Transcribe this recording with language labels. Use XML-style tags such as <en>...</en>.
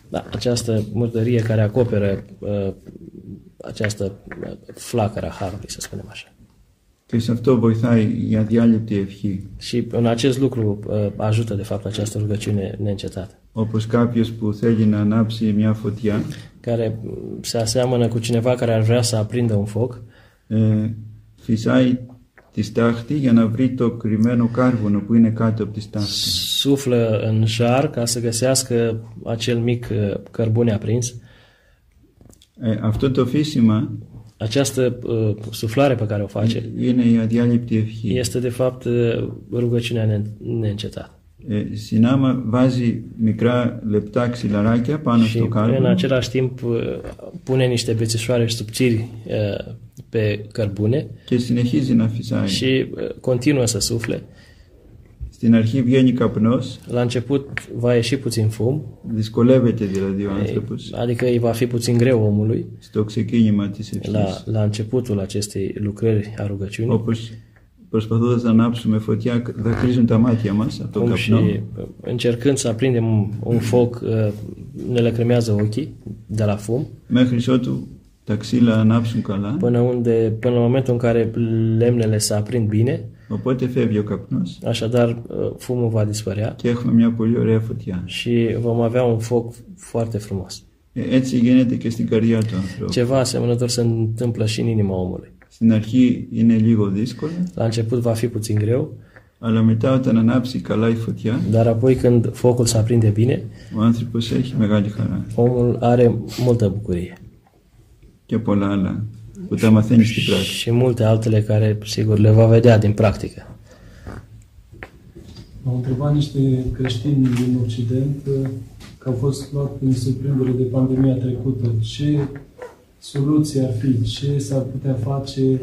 <ro>Da, această murdărie care acoperă această flacără a Harului, să spunem așa.</ro> <el>Και σε αυτό βοηθάει η αδιάλειπτη ευχή.</el> <ro>Și în acest lucru ajută, de fapt, această rugăciune neîncetată.</ro> <el>Όπως κάποιος που θέλει να ανάψει μια φωτιά,</el> <ro>care se aseamănă cu cineva care ar vrea să aprindă un foc,</ro> <el>φυσάει τη στάχτη για να βρει το κρυμμένο κάρβουνο που είναι κάτω από τη στάχτη.</el> <ro>Σούφλε în jar ca să găsească acel mic cărbune aprins.</ro> <el>Αυτό το φύσημα,</el> <ro>această suflare pe care o face,</ro> <el>είναι η αδιάλειπτη ευχή.</el> <ro>Este de fapt rugăciunea neîncetată.</ro> <el>Συνάμα βάζει μικρά λεπτά ξυλαράκια πάνω στο κάρβουνο.</el> <ro>În același timp pune niște bețișoare subțiri pe cărbune.</ro> <el>Και συνεχίζει να φυσάει.</el> <ro>Și continuă să sufle.</ro> <el>Στην αρχή βγαίνει καπνός.</el> <ro>La început va ieși puțin fum.</ro> <el>Δυσκολεύεται δηλαδή ο άνθρωπος.</el> <ro>Adică îi va fi puțin greu omului.</ro> <el>Στο ξεκίνημα της ευχής.</el> <ro>La începutul acestei lucrări a rugăciunii.</ro> <el>Όπως προσπαθώντας να ανάψουμε φωτιά, δακρύζουν τα μάτια μας από τον καπνό.</el> <ro>Și încercând să aprindem un foc, ne lăcrimează ochii de la fum.</ro> <el>Μέχρι ότου τα ξύλα ανάψουν καλά.</el> <ro>Până la momentul în care lemnele se aprind bine.</ro> <el>Οπότε φεύγει ο καπνός.</el> <ro>Așadar, fumul va dispărea.</ro> <el>Και έχουμε μια πολύ ωραία φωτιά.</el> <ro>Și vom avea un foc foarte frumos.</ro> <el>Έτσι γίνεται και στην καρδιά του ανθρώπου.</el> <ro>Ceva asemănător se întâmplă și în inima omului.</ro> <el>Στην αρχή είναι λίγο δύσκολο.</el> <ro>La început va fi puțin greu.</ro> <el>Αλλά μετά όταν ανάψει καλά η φωτιά.</el> <ro>Dar apoi când focul se aprinde bine.</ro> <el>Ο άνθρωπος έχει μεγάλη χαρά.</el> <ro>Omul are multă bucurie.</ro> <el>Και πολλά άλλα που τα μαθαίνει στην πράξη.</el> <ro>Și multe altele care sigur le va vedea din practică. Au întrebat niște creștini din Occident că au fost luat prin surprindere de pandemia trecută. Ce soluție ar fi? Ce s-ar putea face?</ro>